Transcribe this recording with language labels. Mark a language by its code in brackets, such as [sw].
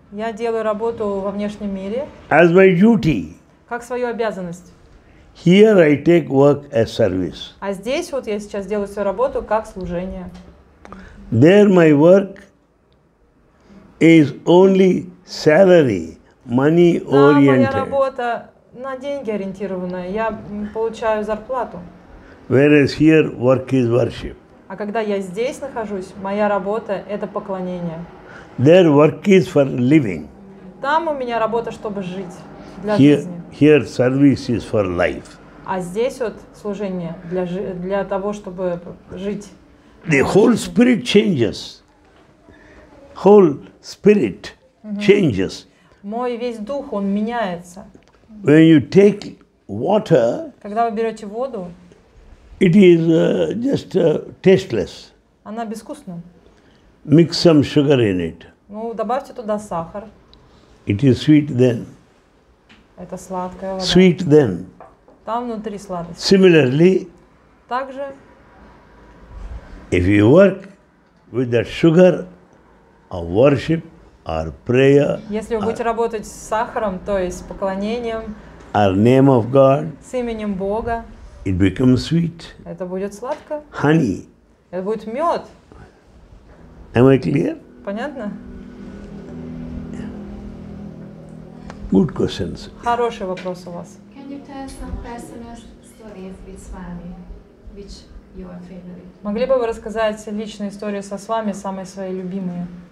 [ru] Я делаю работу во внешнем мире. [en] As my duty. [ru] Как свою обязанность. [en] Here I take work as service. [ru] А здесь вот я сейчас делаю свою работу как служение. [en] There my work is only salary, money oriented. [ru] Моя работа на деньги ориентированная. Я получаю зарплату. [en] Whereas here work is worship. [ru] А когда я здесь нахожусь, моя работа это поклонение. [en] There work is for living. [ru] Там у меня работа, чтобы жить. [en] Here service is for life. [ru] А здесь вот служение для того, чтобы жить. [en] The whole spirit changes. Whole spirit changes. [ru] Мой весь дух он меняется. [en] When you take water, [ru] когда вы берете воду, [en] it is just tasteless. [ru] Она безвкусна. [en] Mix some sugar in it. [ru] Ну добавьте туда сахар. [en] It is sweet then. [ru] Это сладкая вода. [en] Sweet then. [ru] Там внутри сладость. [en] Similarly. [ru] Также. [en] If you work with that sugar, or worship, or prayer. [ru] Если вы будете работать с сахаром, то есть с поклонением. [en] Or name of God. [ru] С именем Бога. [en] It becomes sweet. [ru] Это будет сладко. [en] Honey. [ru] Это будет мед. [en] Am I clear? [ru] Понятно. [en] Good questions. [ru] Хороший вопрос у вас. [en] Can you tell some personal stories with Swami, which your favorite? [ru] Могли бы вы рассказать личные истории со Свами, самые свои любимые?